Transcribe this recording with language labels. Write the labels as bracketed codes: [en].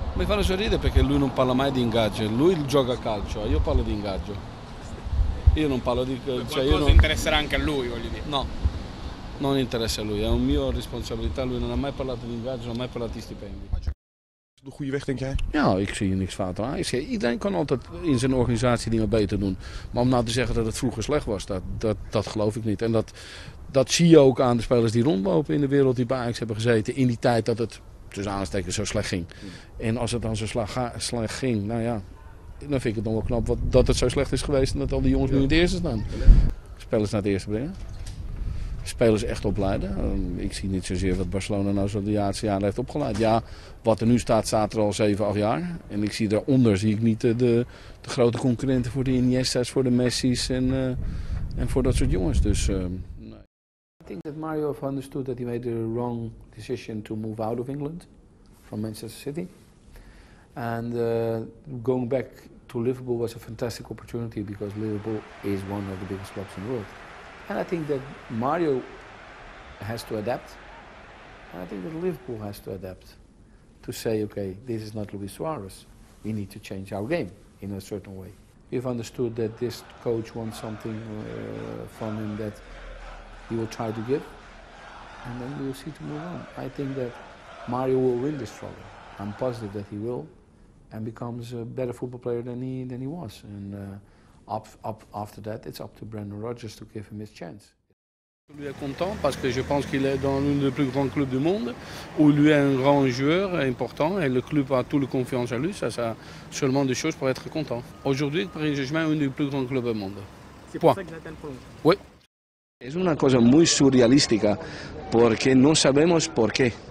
[it] Mi fanno sorridere perché lui non parla mai di ingaggio, lui gioca a calcio, io parlo di ingaggio. Io non parlo di... Cioè qualcosa non... interesserà anche a lui, voglio dire. No, non interessa a lui, è un mio responsabilità, lui non ha mai parlato di ingaggio, non ha mai parlato di stipendi. [nl] De goede weg, denk jij? Ja, ik zie niks fout aan. Iedereen kan altijd in zijn organisatie dingen beter doen. Maar om nou te zeggen dat het vroeger slecht was, dat geloof ik niet. En dat zie je ook aan de spelers die rondlopen in de wereld, die bij Ajax hebben gezeten in die tijd dat het, tussen aanstekens, zo slecht ging. En als het dan zo slecht ging, nou ja, dan vind ik het nog wel knap dat het zo slecht is geweest en dat al die jongens nu in het eerste staan. Spelers naar het eerste brengen. Spelers echt opleiden. Ik zie niet zozeer wat Barcelona nou zo de laatste jaren heeft opgeleid. Ja, wat er nu staat, staat er al 7, 8 jaar. En ik zie daaronder zie ik niet de grote concurrenten voor de Iniesta's, voor de Messi's en voor dat soort jongens. Dus, nee. [en] I think that Mario have understood that he made the wrong decision to move out of England from Manchester City. And going back to Liverpool was a fantastic opportunity because Liverpool is one of the biggest clubs in the world. And I think that Mario has to adapt. And I think that Liverpool has to adapt to say, okay, this is not Luis Suarez. We need to change our game in a certain way. We've understood that this coach wants something from him that he will try to give. And then we'll see to move on. I think that Mario will win this struggle. I'm positive that he will and becomes a better football player than he was. And, after that, it's up to Brendan Rodgers to give him his chance. [fr] Lui est content parce que je pense qu'il est dans l'un des plus grands clubs du monde où lui est un grand joueur important et le club a toute la confiance en lui. Ça, c'est seulement des choses pour être content. Aujourd'hui, Paris Saint-Germain est un des plus grands clubs du monde. C'est pour ça que j'ai été prolongé. Oui. C'est une chose très surréaliste parce que nous ne savons pas pourquoi.